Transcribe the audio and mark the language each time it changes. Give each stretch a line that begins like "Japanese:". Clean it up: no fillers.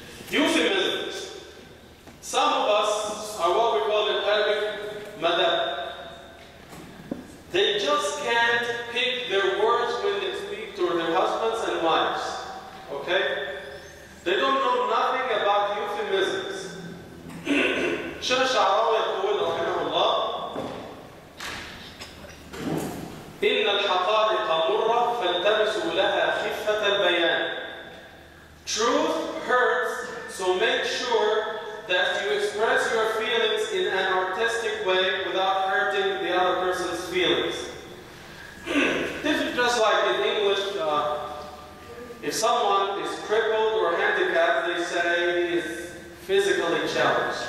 English: Euphemisms. Some of us are what we call in Arabic, madam. They just can't pick their words when they speak to their husbands and wives. Okay? They don't know nothing about euphemisms.
Arabic: Shaykh Sha'rawi يقول رحمه الله إن الحقائق مرة فالتمسوا لها خفة البيان.
English: Truth hurts, so make sure that you express your feelings in an artistic way without hurting the other person's feelings. This is just like in English, if someone is crippled or handicapped, they say he is physically challenged.